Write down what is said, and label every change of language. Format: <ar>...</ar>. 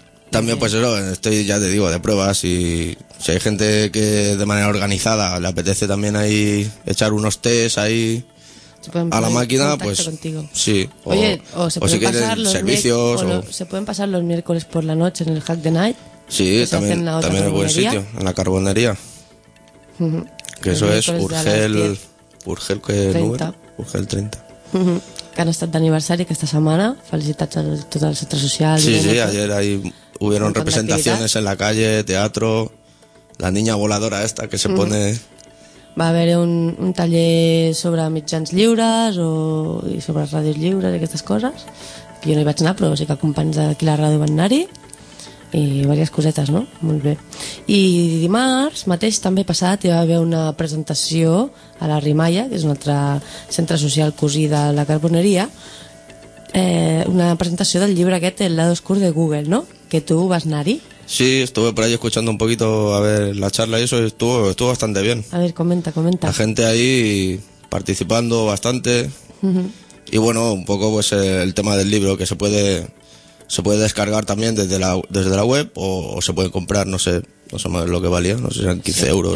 <es>También, pues eso, estoy, ya te digo, de pruebas y si hay gente que de manera organizada le apetece también ahí echar unos test ahí a la máquina, pues contigo. Sí. Oye, o si quieren servicios. ¿Se pueden pasar los miércoles por la noche en el Hack the Night? Sí, también es buen sitio, en la carbonería. Que eso es Urgel, ¿qué número? Urgel 30.</es> <ca>Que han estat d'aniversari aquesta setmana. Felicitats a tot el centre social.</ca> <es>Sí, sí, ayer ahí hubieron representaciones en la calle, teatro, la niña voladora esta que se pone...</es> <ca>Va haver un taller sobre mitjans lliures i sobre ràdios lliures i aquestes coses. Que jo no hi vaig anar, però sí que companys d'aquí la ràdio van anar-hi. I diverses cosetes, no? Molt bé. I dimarts mateix, també passat, hi va haver una presentació a la Rimaia, que és un altre centre social cosí de la carboneria, una presentació del llibre aquest, El lado oscur de Google, no?</ca> <es>Que tú vas Nari. Sí, estuve por ahí escuchando un poquito a ver la charla y eso estuvo bastante bien. A ver, comenta. La gente ahí participando bastante. Y bueno, un poco pues el tema del libro que se puede descargar también desde la web o se puede comprar, no sé más lo que valía, no sé si eran 15 euros.</es>